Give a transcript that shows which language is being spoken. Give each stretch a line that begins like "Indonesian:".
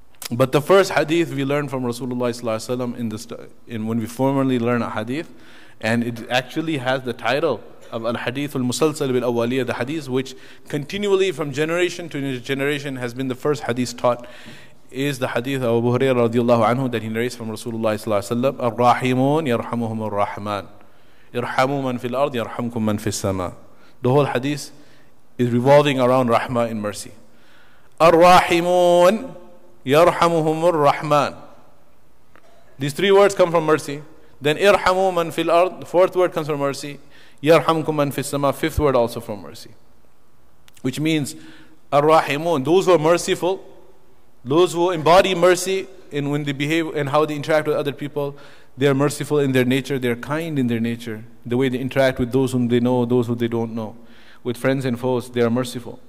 English: But the first hadith we learn from Rasulullah sallallahu alaihi wasallam in when we formally learn a hadith, and it actually has the title of al-hadith al-musalsal bil-awwaliyah, the hadith which continually from generation to generation has been the first hadith taught, is the hadith of Abu Hurairah radiallahu anhu that he narrates from Rasulullah sallallahu alaihi wasallam, ar-rahimun yarhamuhum ar-rahman, irhamu man fil ard yarhamkum man fis sama. The whole hadith is revolving around rahmah and mercy.
Arabic: Ar-rahimun يرحمهم الرحمن.
English: These three words come from mercy. Then
Arabic: إرحموا من في الأرض,
English: the fourth word comes from mercy.
Arabic: يرحمكم من في السماء,
English: fifth word also from mercy. Which means الرحمون, those who are merciful, those who embody mercy in when they behave and how they interact with other people, they are merciful in their nature, they are kind in their nature, the way they interact with those whom they know, those who they don't know, with friends and foes, they are merciful.